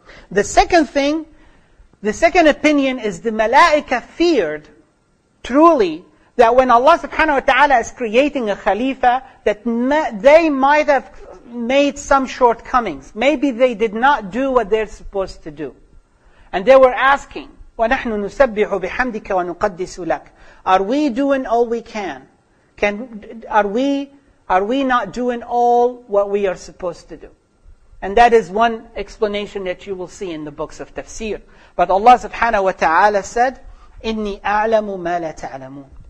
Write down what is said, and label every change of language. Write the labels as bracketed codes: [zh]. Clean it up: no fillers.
[en] The second thing, the second opinion is the malaika feared, truly, that when Allah subhanahu wa ta'ala is creating a khalifa, that they might have made some shortcomings. Maybe they did not do what they're supposed to do. And they were asking, [ar] وَنَحْنُ نُسَبِّحُ بِحَمْدِكَ وَنُقَدِّسُ لَكَ. [en] Are we doing all we can? Are we not doing all what we are supposed to do? And that is one explanation that you will see in the books of tafsir. But Allah subhanahu wa ta'ala said, [ar] إِنِّي أَعْلَمُ مَا لَا تَعْلَمُونَ.